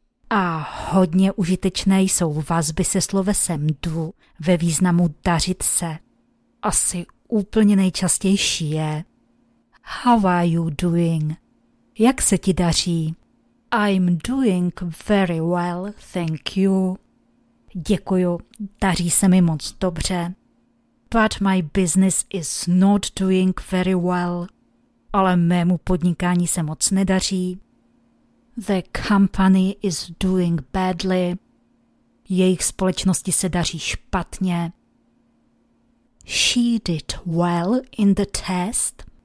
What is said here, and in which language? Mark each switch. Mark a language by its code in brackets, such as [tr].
[cs] A hodně užitečné jsou vazby se slovesem do ve významu dařit se. Asi úplně nejčastější je [en] how are you doing? [cs] Jak se ti daří? [en] I'm doing very well, thank you. [cs] Děkuju, daří se mi moc dobře. [en] But my business is not doing very well. [cs] Ale mému podnikání se moc nedaří. [en] The company is doing badly. [cs] Jejich společnosti se daří špatně. [en] She did well in the test.